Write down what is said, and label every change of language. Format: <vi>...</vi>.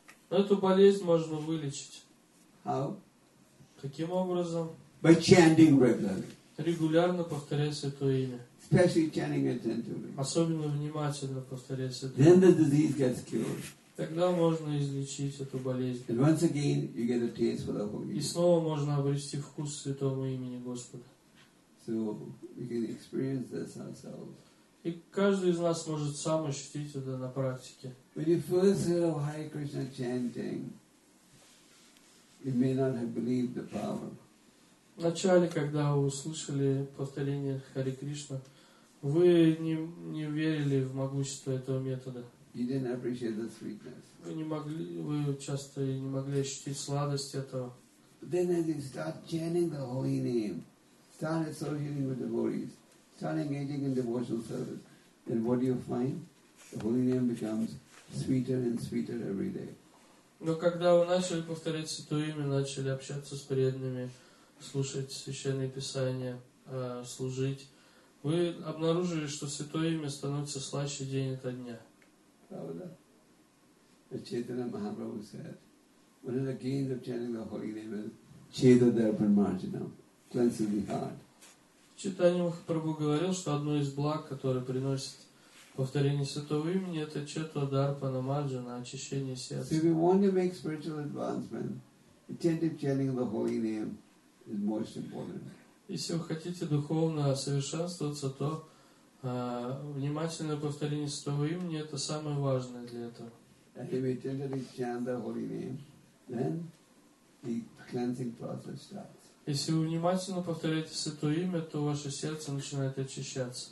<ru>Но эту болезнь можно вылечить.</ru> <en>How?</en> <ru>Каким образом?</ru> <en>By chanting regularly.</en> <ru>Регулярно повторять святое имя.</ru> <en>Especially chanting attentively.</en> <ru>Особенно внимательно повторять святое имя.</ru> <en>Then the disease gets cured.</en> <ru>Тогда можно излечить эту болезнь.</ru> <en>And once again, you get a taste for the Holy Name.</en> <ru>И снова можно обрести вкус святого имени Господа.</ru> <en>So we can experience this ourselves.</en> <ru>И каждый из нас может сам ощутить это на практике.</ru> <en>When you first heard of Hare Krishna chanting, you may not have believed the power.</en> <ru>вначале, когда вы услышали повторение Хари Кришна, вы не верили в могущество этого метода.</ru> <en>You didn't appreciate the sweetness.</en> <ru>Вы часто не могли ощутить сладость этого.</ru> <en>Then as you start chanting the holy name, start associating with devotees, start engaging in devotional service, then what do you find? The holy name becomes sweeter and sweeter every day.</en> <ru>Но когда вы начали повторять Святое Имя, начали общаться с преданными, слушать Священные Писания, служить, вы обнаружили, что Святое Имя становится слаще день ото дня. Правда?</ru> <en>Чайтанья Махапрабху said, one of the gains of chanting the holy name is Чеда Дарпан Марджанам, cleansing the heart.</en> <ru>Чайтанья Махапрабху говорил, что одно из благ, которое приносит повторение Святого Имени, это Чета Дарпана Марджана, очищение сердца.</ru> <en>So if you want to make spiritual advancement, attentive chanting of the holy name is most important.</en> <ru>Если вы хотите духовно совершенствоваться, то внимательное повторение Святого Имени – это самое важное для этого.</ru> <en>And if you attentively chant the holy name, then the cleansing process starts.</en> <ru>Если вы внимательно повторяете Святое Имя, то ваше сердце начинает очищаться.</ru>